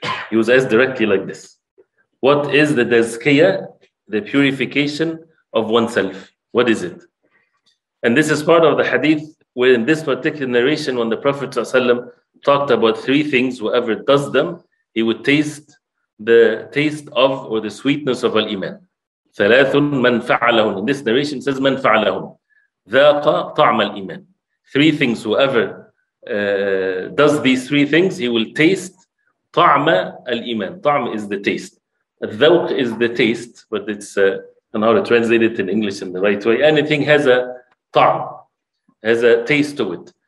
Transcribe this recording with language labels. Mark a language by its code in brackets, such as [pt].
[en] He was asked directly like this: "What is the tazkiyah, the purification of oneself? What is it?" And this is part of the hadith where, in this particular narration, when the Prophet ﷺ talked about three things, whoever does them, he would taste the taste of or the sweetness of al-iman. [ar] ثَلَاثٌ مَنْ فَعَلَهُمْ. [en] In this narration, says [ar] مَنْ فَعَلَهُمْ ذَاقَ طَعْمَ الْإِيمَانِ. [en] Three things, whoever does these three things, he will taste [ar] طَعْمَ الْإِيمَانِ. [en] طَعْمَ is the taste. الذَوْقَ is the taste, but it's how to translate it in English in the right way. Anything has a طَعْمَ, has a taste to it.